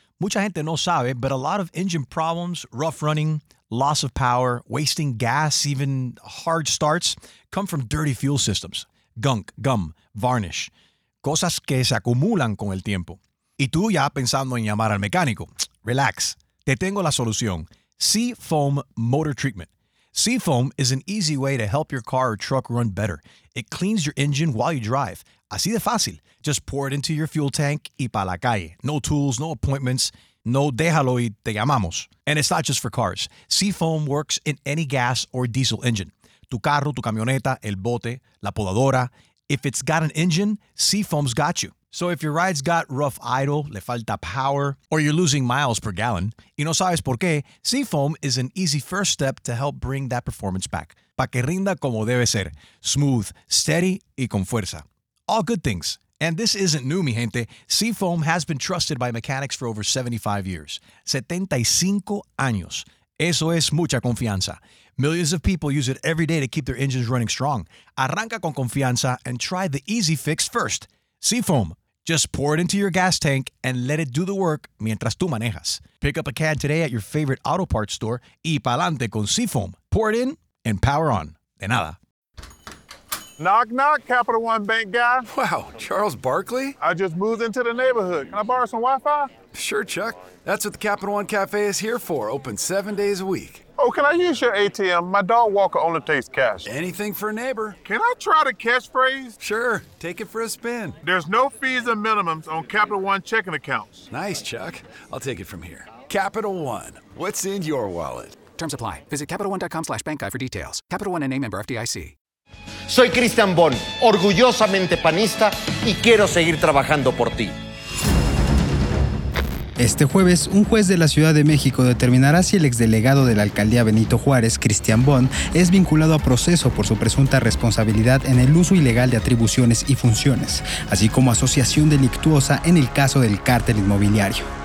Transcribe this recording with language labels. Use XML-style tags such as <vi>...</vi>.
<es>Mucha gente no sabe,</es> <en>but a lot of engine problems, rough running, loss of power, wasting gas, even hard starts, come from dirty fuel systems. Gunk, gum, varnish.</en> <es>Cosas que se acumulan con el tiempo. Y tú ya pensando en llamar al mecánico. Relax, te tengo la solución.</es> <en>Seafoam Motor Treatment. Seafoam is an easy way to help your car or truck run better. It cleans your engine while you drive.</en> <es>Así de fácil.</es> <en>Just pour it into your fuel tank</en> <es>y pa' la calle.</es> <en>No tools, no appointments,</en> <es>no déjalo y te llamamos.</es> <en>And it's not just for cars. Seafoam works in any gas or diesel engine.</en> <es>Tu carro, tu camioneta, el bote, la podadora.</es> <en>If it's got an engine, Seafoam's got you. So if your ride's got rough idle,</en> <es>le falta power,</es> <en>or you're losing miles per gallon,</en> <es>y no sabes por qué,</es> <en>Seafoam is an easy first step to help bring that performance back.</en> <es>Pa' que rinda como debe ser.</es> <en>Smooth, steady,</en> <es>y con fuerza.</es> <en>All good things. And this isn't new,</en> <es>mi gente.</es> <en>Seafoam has been trusted by mechanics for over 75 years.</en> <es>75 años. Eso es mucha confianza.</es> <en>Millions of people use it every day to keep their engines running strong.</en> <es>Arranca con confianza</es> <en>and try the easy fix first. Seafoam. Just pour it into your gas tank and let it do the work</en> <es>mientras tú manejas.</es> <en>Pick up a can today at your favorite auto parts store</en> <es>y pa'lante con</es> <en>Seafoam. Pour it in and power on.</en> <es>De nada.</es> <en>Knock, knock, Capital One Bank guy. Wow, Charles Barkley? I just moved into the neighborhood. Can I borrow some Wi-Fi? Sure, Chuck. That's what the Capital One Cafe is here for, open 7 days a week. Oh, can I use your ATM? My dog Walker only takes cash. Anything for a neighbor. Can I try the cash phrase? Sure, take it for a spin. There's no fees or minimums on Capital One checking accounts. Nice, Chuck. I'll take it from here. Capital One, what's in your wallet? Terms apply. Visit CapitalOne.com/BankGuy for details. Capital One and a member FDIC.</en> <es>Soy Christian Bon, orgullosamente panista, y quiero seguir trabajando por ti. Este jueves, un juez de la Ciudad de México determinará si el exdelegado de la alcaldía Benito Juárez, Christian Bon, es vinculado a proceso por su presunta responsabilidad en el uso ilegal de atribuciones y funciones, así como asociación delictuosa en el caso del cártel inmobiliario.</es>